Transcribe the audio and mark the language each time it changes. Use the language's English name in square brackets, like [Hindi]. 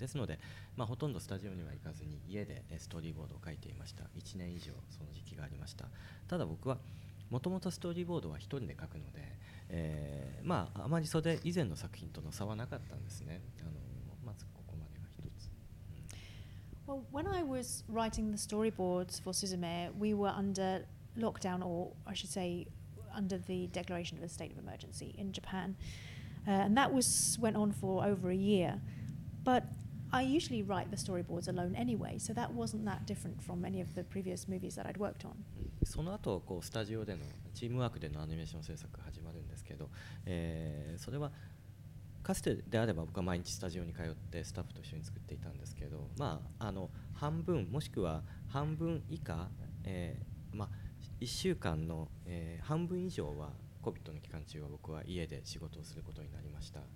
[Japanese] ですので、まあ、ほとんどスタジオには行かずに家でストーリーボードを書いていました。 1年以上その時期がありました。ただ僕はもともとストーリーボードは一人で書くので、まあ、あまりそれ以前の作品との差はなかったんですね。まずここまでが一つ。 [English] Well, when I was writing the storyboards for Suzume, we were under lockdown, or I should say, under the declaration of a state of emergency in Japan. And that went on for over a year. But I usually write the storyboards alone anyway, so that wasn't that different from any of the previous movies that I'd worked on. [Japanese] その後、こうスタジオでのチームワークでのアニメーション制作が始まるんですけど、それはかつてであれば僕は毎日スタジオに通ってスタッフと一緒に作っていたんですけど、まあ、半分もしくは半分以下、まあ、1週間の、半分以上は COVID の期間中は僕は家で仕事をすることになりました。